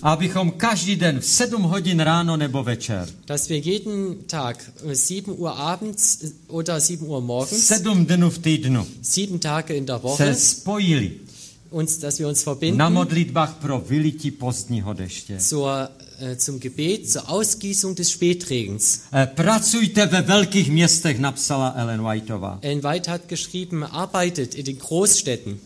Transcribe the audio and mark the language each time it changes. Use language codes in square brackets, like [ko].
[cs] Abychom každý den v 7 hodin ráno nebo večer. [de] Dass wir jeden Tag 7 Uhr abends oder 7 Uhr morgens. [cs] 7 dnů v týdnu. [de] 7 Tage in der Woche. [cs] Se spojili. [de] uns, dass wir uns verbinden. [cs] Na modlitbách pro vylití pozdního deště. [de] Zum Gebet, zur Ausgießung des Spätregens. [cs] Pracujte ve velkých městech, napsala Ellen Whiteová. [de] Ellen White hat geschrieben, arbeitet in den Großstädten.